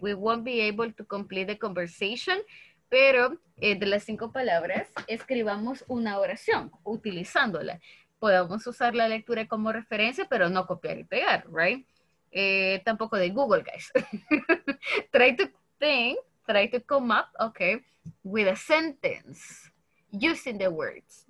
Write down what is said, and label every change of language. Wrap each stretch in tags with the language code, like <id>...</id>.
<en>We won't be able to complete the conversation.</en> <es>Pero de las 5 palabras, escribamos una oración utilizándola. Podemos usar la lectura como referencia, pero no copiar y pegar, right? Tampoco de Google, guys.</es> <en>try to come up, okay, with a sentence using the words.</en>